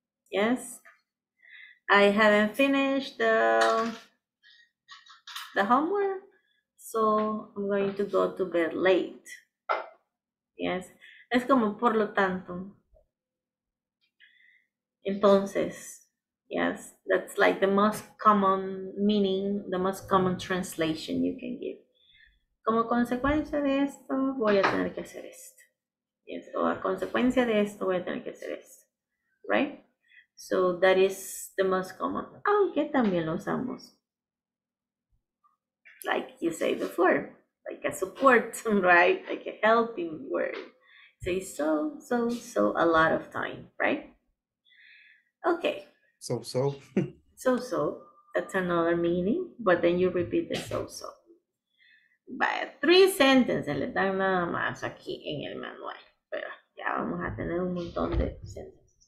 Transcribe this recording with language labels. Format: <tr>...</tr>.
<en>Yes, I haven't finished the homework, so I'm going to go to bed late.</en> <es>Yes, es como por lo tanto.</es> <en>Entonces, yes, that's like the most common meaning, the most common translation you can give.</en> <es>Como consecuencia de esto, voy a tener que hacer esto. Yes, o a consecuencia de esto, voy a tener que hacer esto.</es> <en>Right? So that is the most common.</en> <es>Aunque también lo usamos.</es> <en>Like you say before, like a support, right? Like a helping word. Say so a lot of time, right? Okay. So. So, that's another meaning, but then you repeat the so. But three sentences,</en> <es>le dan nada más aquí en el manual. Pero ya vamos a tener un montón de sentences.</es>